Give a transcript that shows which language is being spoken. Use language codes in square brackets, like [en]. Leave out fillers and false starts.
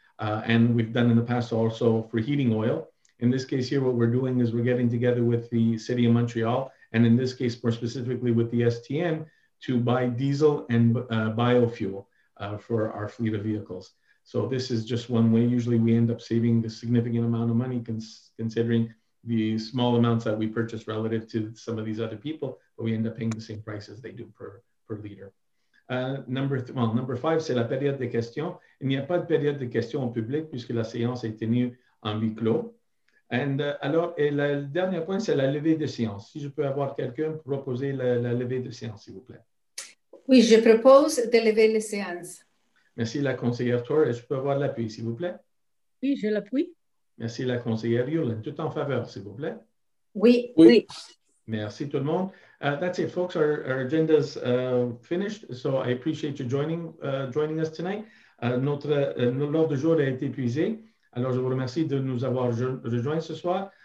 [en] And we've done in the past also for heating oil. In this case here, what we're doing is we're getting together with the City of Montreal, and in this case, more specifically with the STM, to buy diesel and biofuel for our fleet of vehicles. So this is just one way. Usually we end up saving a significant amount of money considering the small amounts that we purchase relative to some of these other people, but we end up paying the same price as they do per liter. Number five, [fr] c'est la période des questions. Il n'y a pas de période de questions en public puisque la séance est tenue en huis clos. Et le dernier point, c'est la levée de séance. Si je peux avoir quelqu'un pour proposer la levée de séance, s'il vous plaît. Oui, je propose de lever les séances. Merci, la conseillère Torres. Je peux avoir l'appui, s'il vous plaît? Oui, je l'appuie. Merci, la conseillère Yulin. Tout en faveur, s'il vous plaît? Oui, oui. Merci, tout le monde. [en] That's it, folks. Our agenda's finished, so I appreciate you joining us tonight. [fr] L'ordre du jour a été épuisé. Alors, je vous remercie de nous avoir rejoints ce soir.